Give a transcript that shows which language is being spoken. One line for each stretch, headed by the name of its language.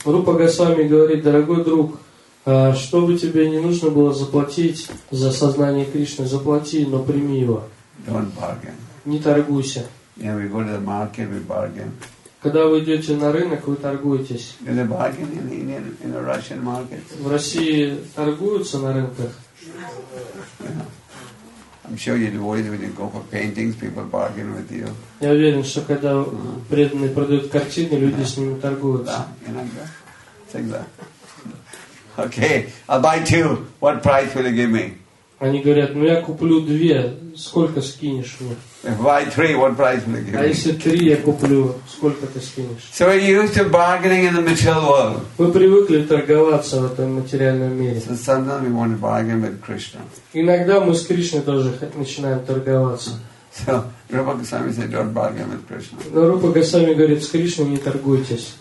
Russian: Rupa Goswami говорит, дорогой друг, что бы тебе не нужно было заплатить за сознание Кришны, заплати, но прими его.
English: Don't bargain.
Russian: Не торгуйся.
English: Yeah, we go to the market, we bargain.
Russian: Когда вы идете на рынок, вы торгуетесь.
English: Is there bargain in the Russian market?
Russian: В России торгуются на рынках.
English: Yeah. I'm sure you're worried when you go for paintings, people bargain with you.
Russian: Я уверен, что когда преданные продают картины, люди с ними торгуются. Иногда.
English: Okay, I'll buy two. What price will you give me?
Russian: Они говорят, ну я куплю две, сколько скинешь мне?
English: If I buy three, what price will you give me?
Russian: А если три, я куплю, сколько ты скинешь?
English: So we're used to bargaining in the material world.
Russian: Мы привыкли торговаться в этом материальном мире.
English: So sometimes we want to bargain with Krishna.
Russian: Иногда мы с Кришной тоже начинаем торговаться.
English: So Rupa Goswami says, don't bargain with Krishna.
Russian: Но Рупа Госвами говорит, с Кришной не торгуйтесь.